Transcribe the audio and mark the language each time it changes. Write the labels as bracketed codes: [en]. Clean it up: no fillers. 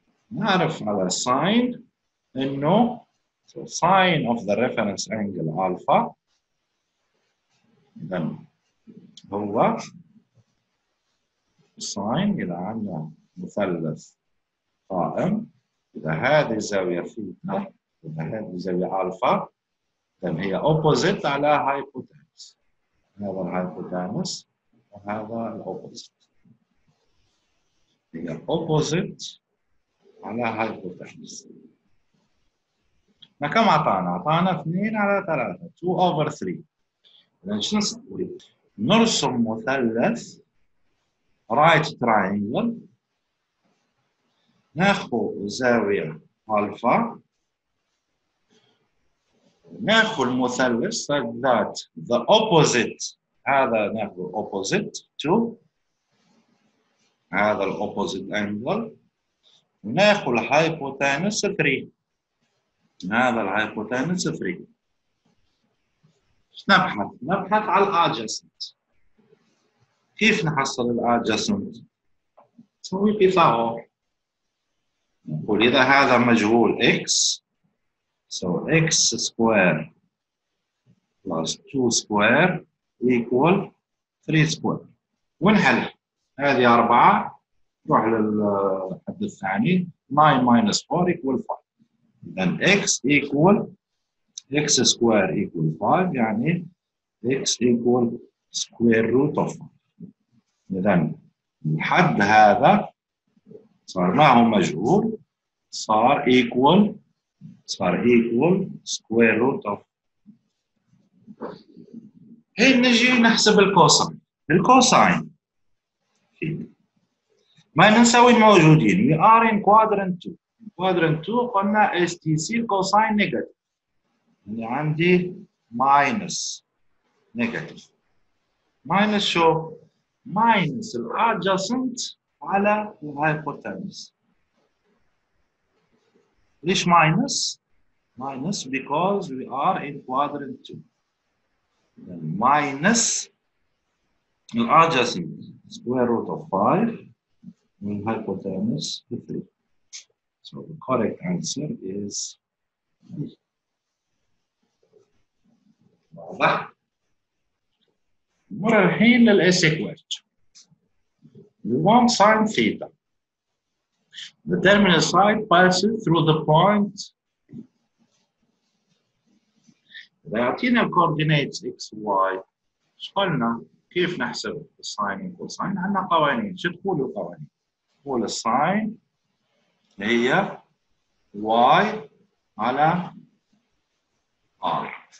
[ar] نعرف على sine انه [en] so sine of the reference angle alpha then [ar] هو sine إذا عندنا مثلث قائم. إذا هذه زاوية ثيتا وإذا هذه زاوية ألفا then هي أوبوزيت على هايبوتانس. هذا الهايبوتانس وهذا الأوبوزيت. هي أوبوزيت على هايبوتانس. ما كم أعطانا؟ أعطانا 2 على 3 2 over 3. إذا شنو نسوي؟ نرسم مثلث رايت تراينجل ناخذ زاوية ألفا ناخذ المثلث [en] such that the opposite [ar] هذا ناخذ [en] opposite to [ar] هذا ال opposite angle ناخذ ال hypotenuse 3 هذا ال hypotenuse 3 نبحث؟ نبحث على ال adjacent. كيف نحصل ال adjacent؟ نسوي بيثاغور. نقول إذا هذا مجهول [en] x so x square plus 2 square equal 3 square [ar] ونحل هذه 4 نروح للحد الثاني [en] 9 minus 4 equal 5 then x equal x square equal 5 يعني x equal square root of 5 [ar] إذا الحد هذا صار معه مجهول صار equal صار equal [en] square root of [ar] هي نجي نحسب الكوساين. الكوساين ما ننسى وين موجودين. [en] We are in quadrant 2. In quadrant 2 قلنا STC cosine negative [ar] اللي عندي [en] minus negative minus شو؟ minus adjacent على hypotenuse. [ar] ليش [en] minus? Minus because we are in quadrant 2. Then minus adjacent square root of 5 and hypotenuse 3. So the correct answer is واضح. [ar] مر الحين للاسكويرت. [en] We want sine theta. The terminal side passes through the point. [ar] يعطينا الكوردينيتس اكس واي. ايش قلنا؟ كيف نحسب الساين والكوساين؟ عندنا قوانين، شو تقول القوانين؟ تقول الساين هي واي على ار.